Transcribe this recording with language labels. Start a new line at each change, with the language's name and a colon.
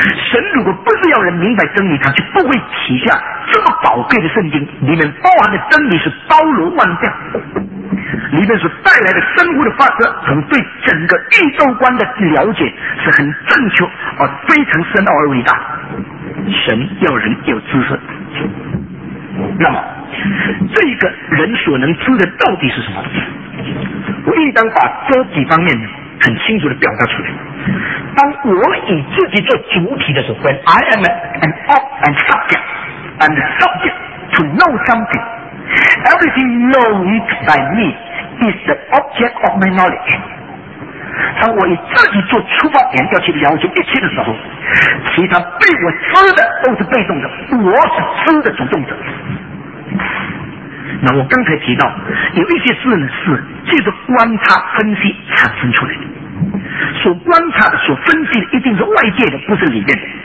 Chinese: 神如果不是要人明白真理，他就不会取下这么宝贵的圣经，里面包含的真理是包罗万象，里面所带来的生物的法则，从对整个宇宙观的了解是很正确而非常深奥而伟大。神要人有知识，那么这个人所能知的到底是什么？我应当把这几方面很清楚地表达出来。当我以自己做主体的时候，
English: When I am an object and subject to know something, everything known by me is the object of my knowledge。
Chinese: 当我以自己做出发点要去了解一切的时候，其他被我知的都是被动的，我是知的主动者。那我刚才提到有一些事呢，是借着观察分析产生出来的，所观察的所分析的一定是外界的，不是里面的。